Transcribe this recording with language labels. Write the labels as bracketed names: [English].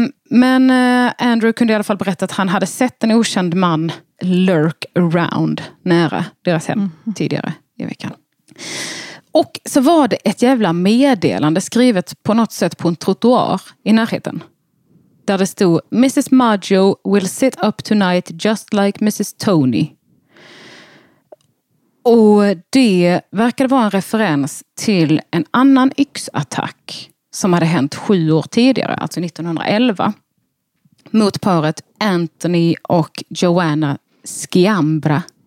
[Swedish] Men Andrew kunde i alla fall berätta att han hade sett en okänd man [English] lurk around [Swedish] nära deras hem tidigare i veckan. Och så var det ett jävla meddelande skrivet på något sätt på en trottoar i närheten. Där det stod: [English] Mrs. Maggio will sit up tonight just like Mrs. Tony. [Swedish] Och det verkade vara en referens till en annan yxattack som hade hänt 7 år tidigare, alltså 1911. Mot paret Anthony och Joanna Sciambra.